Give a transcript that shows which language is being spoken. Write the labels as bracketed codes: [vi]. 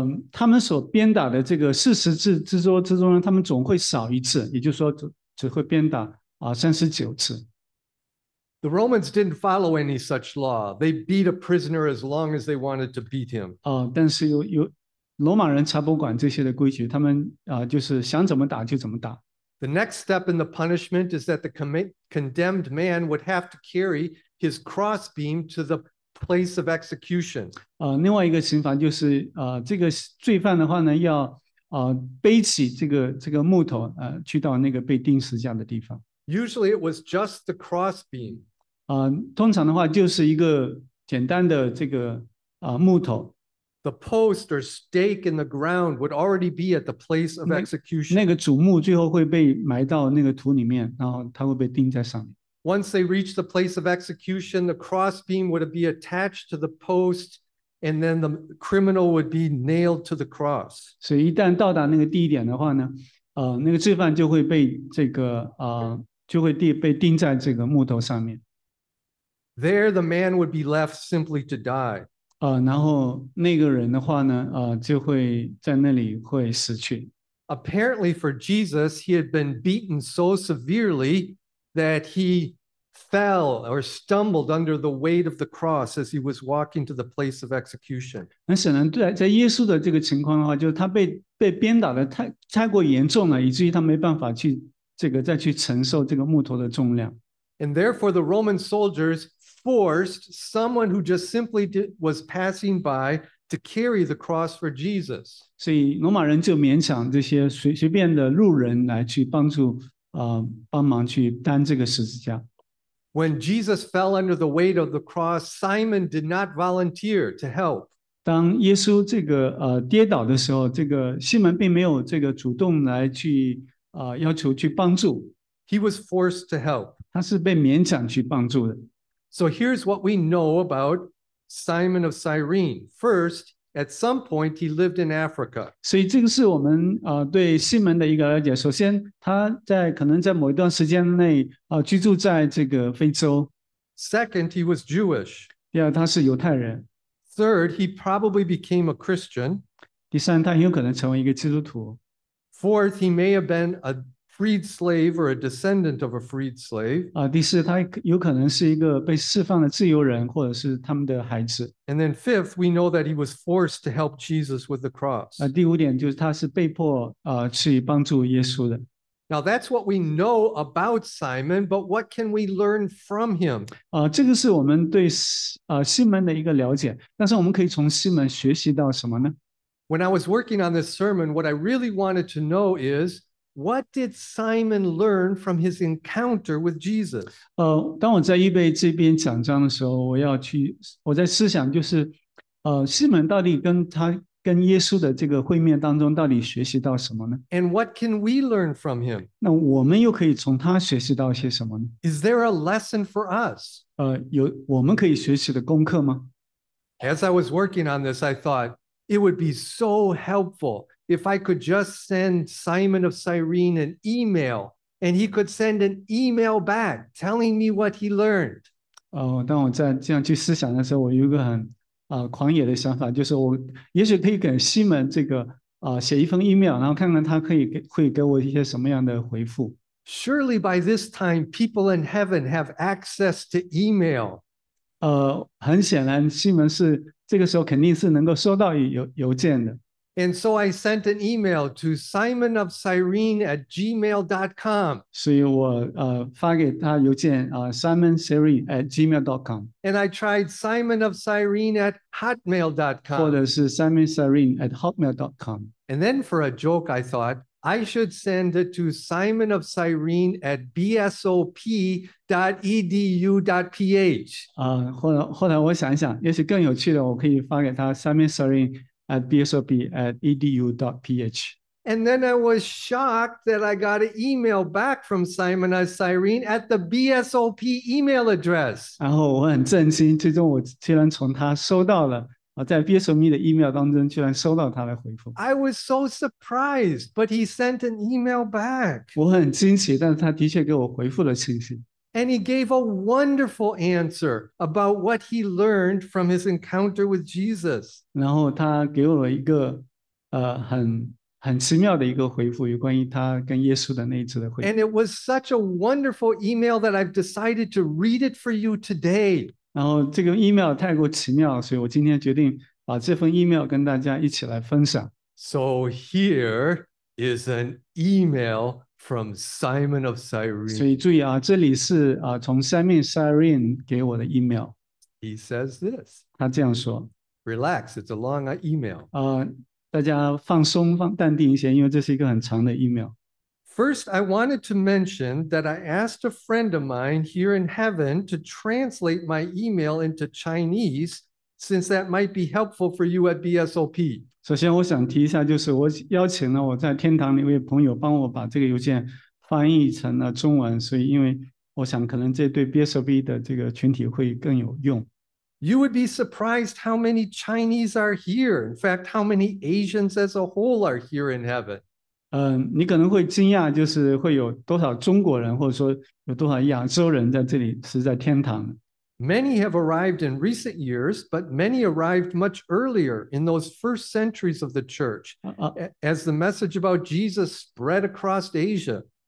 [zh] 他们所鞭打的这个四十字之桌之中呢，他们总会少一次，也就是说 只会鞭打39次。 [en] The Romans didn't follow any such law. They beat a prisoner as long as they wanted to beat him. [zh] 但是有罗马人才不管这些的规矩，他们就是想怎么打就怎么打。 [en] The next step in the punishment is that the condemned man would have to carry his crossbeam to the place of execution. [zh] 另外一个刑罚就是这个罪犯的话呢，要背起这个木头去到那个被钉十字架的地方。 [en] Usually it was just the crossbeam. [zh] 通常的话就是一个简单的这个木头。 [en] The post or stake in the ground would already be at the place of execution. [zh] 那个主墓最后会被埋到那个土里面，然后它会被钉在上面。 [en] Once they reach the place of execution, the crossbeam would be attached to the post, and then the criminal would be nailed to the cross. [zh] 所以一旦到达那个地点的话呢，那个罪犯就会被这个就会被钉在这个木头上面。 [en] There, the man would be left simply to die. [zh] 然后那个人的话呢，就会在那里会死去。 [en] Apparently for Jesus, he had been beaten so severely that he fell or stumbled under the weight of the cross as he was walking to the place of execution. [zh] 那显然在耶稣的这个情况的话，就是他被鞭打的太过严重了，以至于他没办法去这个再去承受这个木头的重量。 [en] And therefore the Roman soldiers forced someone who just simply was passing by to carry the cross for Jesus. [zh] 所以罗马人就勉强这些随便的路人来去帮助帮忙去担这个十字架。 [en] When Jesus fell under the weight of the cross, Simon did not volunteer to help. [zh] 当耶稣这个跌倒的时候，这个西门并没有这个主动来去要求去帮助。 [en] He was forced to help. [zh] 他是被勉强去帮助的。 [en] So here's what we know about Simon of Cyrene. First, at some point he lived in Africa. [zh] 所以这个是我们对西门的一个了解。首先，他在可能在某一段时间内居住在这个非洲。 [en] Second, he was Jewish. [zh] 第二，他是犹太人。 [en] Third, he probably became a Christian. [zh] 第三，他很有可能成为一个基督徒。 [en] Fourth, he may have been a freed slave or a descendant of a freed slave. [zh] 第四，他有可能是一个被释放的自由人，或者是他们的孩子。 [en] And then fifth, we know that he was forced to help Jesus with the cross. [zh] 第五点就是他是被迫去帮助耶稣的。 [en] Now that's what we know about Simon, but what can we learn from him? [zh] 这个是我们对西门的一个了解，但是我们可以从西门学习到什么呢？ [en] When I was working on this sermon, what I really wanted to know is, what did Simon learn from his encounter with Jesus? [zh] 当我在预备这边讲章的时候，我在思想就是，西门到底跟耶稣的这个会面当中到底学习到什么呢？ [en] And what can we learn from him? [zh] 那我们又可以从他学习到些什么呢？ [en] Is there a lesson for us? [zh] 有我们可以学习的功课吗？ [en] As I was working on this, I thought,It would be so helpful if I could just send Simon of Cyrene an email and he could send an email back telling me what he learned. [zh] 当我在这样去思想的时候，我有一个很狂野的想法，就是我也许可以给西门这个写一封 email， 然后看看他会给我一些什么样的回复。 [en] Surely by this time, people in heaven have access to email. [zh] 很显然西门是这个时候肯定是能够收到邮件的。 [en] And so I sent an email to simonofcyrene@gmail.com. [zh] 所以我发给他邮件simonofcyrene@gmail.com. [en] And I tried simonofcyrene@hotmail.com. [zh] 或者是 simonofcyrene@hotmail.com. [en] And then for a joke, I thought I should send it to simonofcyrene@bsop.edu.ph. [zh] 后来我想一想，也许更有趣的，我可以发给他 simonofcyrene@bsop.edu.ph. [en] And then I was shocked that I got an email back from Simon of Cyrene at the BSOP email address. [zh] 然后我很震惊，最终我居然从他收到了。在 BSOP 的 email 当中居然收到他的回复。 [en] I was so surprised, but he sent an email back. [zh] 我很惊奇，但是他的确给我回复了信息。 [en] And he gave a wonderful answer about what he learned from his encounter with Jesus. [zh] 然后他给我了一个很奇妙的一个回复，有关于他跟耶稣的那一次的回复。 [en] And it was such a wonderful email that I've decided to read it for you today. [zh] 然后这个 email 太过奇妙，所以我今天决定把这份 email 跟大家一起来分享。 [en] So here is an email from Simon of Cyrene. [zh] 所以注意啊，这里是啊从 Simon Cyrene 给我的 email。 [en] He says this. [zh] 他这样说。 [en] Relax, it's a long email. [zh] 大家放松放淡定一些，因为这是一个很长的 email。 [en] First, I wanted to mention that I asked a friend of mine here in heaven to translate my email into Chinese, since that might be helpful for you at BSOP. [zh] 首先我想提一下，就是我邀请了我在天堂的一位朋友帮我把这个邮件翻译成了中文，所以因为我想可能这对 BSOP 的这个群体会更有用。 [en] You would be surprised how many Chinese are here. In fact, how many Asians as a whole are here in heaven. [zh] 你可能会惊讶，就是会有多少中国人，或者说有多少亚洲人在这里是在天堂。 [en] Many have arrived in recent years, but many arrived much earlier in those first centuries of the church, as the message about Jesus spread across Asia.